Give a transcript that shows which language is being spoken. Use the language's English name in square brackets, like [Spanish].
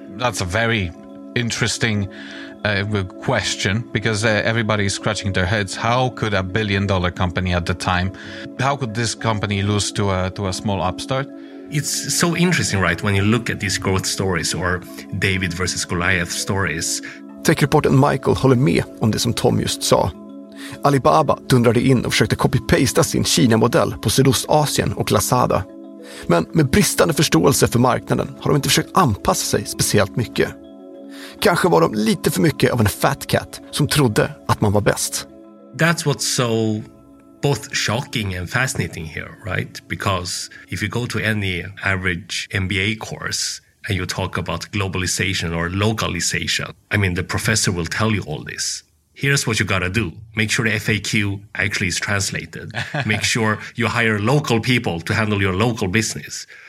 [English] That's a very interesting question, because everybody is scratching their heads. How could a $1 billion company at the time, how could this company lose to a small upstart? It's so interesting, right, when you look at these growth stories or David versus Goliath stories. [Swedish] Tech-reporten Michael håller med om det som Tom just sa. Alibaba dundrade in och försökte copy-pasta sin Kina-modell på Sydostasien och Lazada. Men med bristande förståelse för marknaden har de inte försökt anpassa sig speciellt mycket. Kanske var de lite för mycket av en [English] fat cat [Swedish] som trodde att man var bäst. [English] That's what's so both shocking and fascinating here, right? Because if you go to any average MBA course and you talk about globalization or localization, I mean, the professor will tell you all this. Here's what you gotta do. Make sure the FAQ actually is translated. Make sure you hire local people to handle your local business.